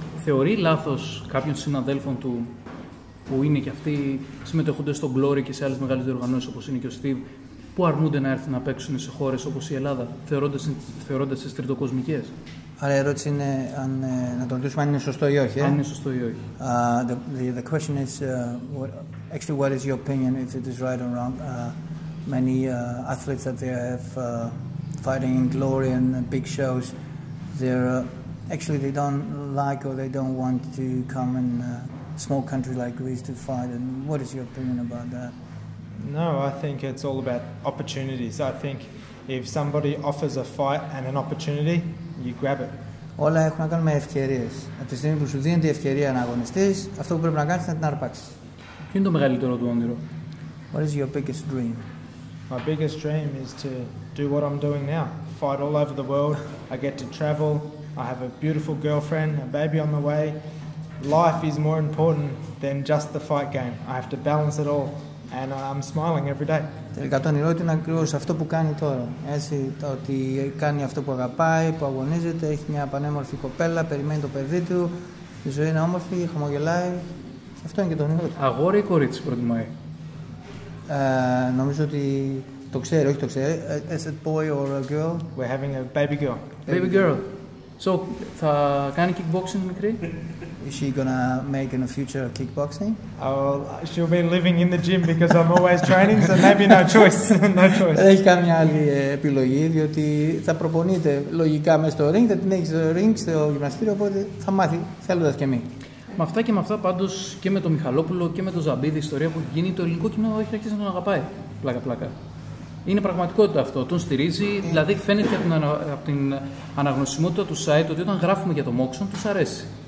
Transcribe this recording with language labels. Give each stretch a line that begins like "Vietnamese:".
Greek: Θεωρεί λάθος κάποιων συναδέλφων του που είναι και αυτοί συμμετέχονται στο Glory και σε άλλες μεγάλες διοργανώσεις όπως είναι και ο Steve, που αρνούνται να έρθουν να παίξουν σε χώρες όπως η Ελλάδα, θεωρώντας τις τριτοκοσμικές? Άρα η ερώτηση είναι αν, να το ρωτήσουμε αν είναι σωστό ή όχι. Αν είναι σωστό ή όχι.
English: The question is, actually, what is your opinion if it is right or wrong? Many athletes that they have fighting in glory and big shows, they're actually they don't like or they don't want to come in a small country like Greece to fight. And what is your opinion about that? No, I think it's all about opportunities. I think if somebody offers a fight and an opportunity, you grab it.
Greek: Όλα έχουν να κάνουν με ευκαιρίες. Από τη στιγμή που σου δίνεται η ευκαιρία να αγωνιστείς, αυτό που πρέπει να κάνεις είναι να την αρπάξεις. Ποιο είναι το μεγαλύτερο του όνειρο?
English: What is your biggest dream? My biggest dream is to do what I'm doing now. Fight all over the world. I get to travel. I have a beautiful girlfriend, a baby on the way. Life is more important than just the fight game. I have to balance it all. And I'm smiling every day.
Greek: Τελικά το όνειρό είναι ακριβώς αυτό που κάνει τώρα. Έτσι, ότι κάνει αυτό που αγαπάει, που αγωνίζεται, έχει μια πανέμορφη κοπέλα, περιμένει το παιδί του, η ζωή είναι όμορφη, χαμογελάει. Αυτό είναι και το όνειρό του. Αγόρι ή κορίτσι προτιμάει? Νομίζω ότι το ξέρει, όχι το ξέρει.
English: Is it boy or a girl? We're having a baby girl. Baby girl.
Greek: So, θα κάνει kickboxing μικρή?
English: Is she gonna make in the future kickboxing? She'll be living in the gym because I'm always training, so maybe no choice. No choice.
Greek: Δεν έχει καμιά άλλη επιλογή, διότι θα προπονείται λογικά μέσα στο ring, θα την έχει στο ring, στο γυμναστήριο, οπότε θα μάθει θέλοντας και μη. Με αυτά και με αυτά πάντως και με τον Μιχαλόπουλο και με τον Ζαμπίδη, η ιστορία που έχει γίνει, το ελληνικό κοινό έχει αρχίσει να τον αγαπάει. Πλάκα, πλάκα. Είναι πραγματικότητα αυτό, τον στηρίζει, δηλαδή φαίνεται από την αναγνωσιμότητα του site ότι όταν γράφουμε για το Moxon τους αρέσει.